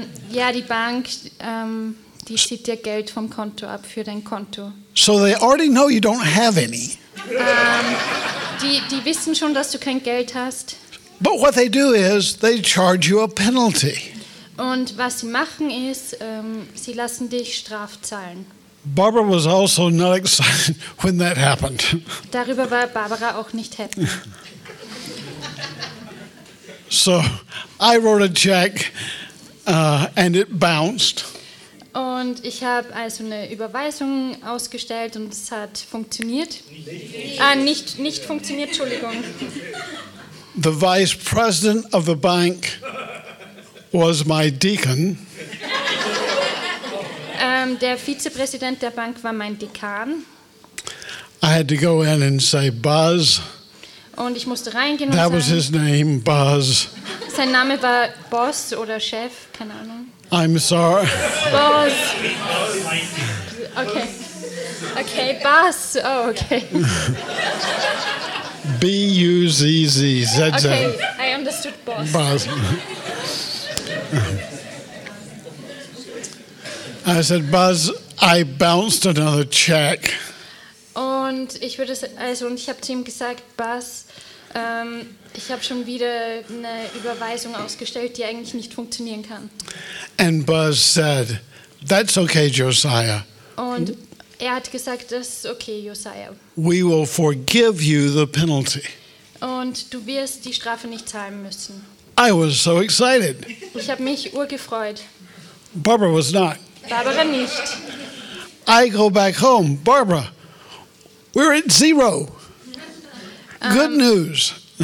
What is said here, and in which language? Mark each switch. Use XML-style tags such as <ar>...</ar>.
<de>Ja, die Bank, die zieht dir Geld vom Konto ab für dein Konto.</de> <en>So they already know you don't have any.</en> <de>Die wissen schon, dass du kein Geld hast.</de> <en>But what they do is they charge you a penalty.</en> <de>Und was sie machen ist, sie lassen dich strafzahlen.</de> <en>Barbara was also not excited when that happened.</en> <de>Darüber war Barbara auch nicht happy.</de> <en>So I wrote a check and it bounced.</en> <de>Und ich habe also eine Überweisung ausgestellt und es hat funktioniert. Nicht funktioniert, Entschuldigung.</de> <en>The vice president of the bank was my deacon.</en> <de>Der Vizepräsident der Bank war mein Dekan.</de> <en>I had to go in and say Buzz.</en> <de>Und ich musste reingehen und sagen,</de> <en>that was his name, Buzz.</en> <de>Sein Name war Boss oder Chef, keine Ahnung.</de> <en>I'm sorry. Boss. Okay. Okay, Buzz. Oh, okay. B-U-Z-Z. Okay, I understood Boss. Buzz. I said, Buzz, I bounced another check.</en> <de>Und ich würde also und ich habe zu ihm gesagt, Buzz, ich habe schon wieder eine Überweisung ausgestellt, die eigentlich nicht funktionieren kann.</de> <en>And Buzz said, that's okay, Josiah.</en> <de>Und er hat gesagt, das ist okay, Josiah.</de> <en>We will forgive you the penalty.</en> <de>Und du wirst die Strafe nicht zahlen müssen.</de> <en>I was so excited.</en> <de>Ich habe mich urgefreut.</de> <en>Barbara was not.</en> <de>Barbara nicht.</de> <en>I go back home, Barbara. We're at zero. Good news.</en>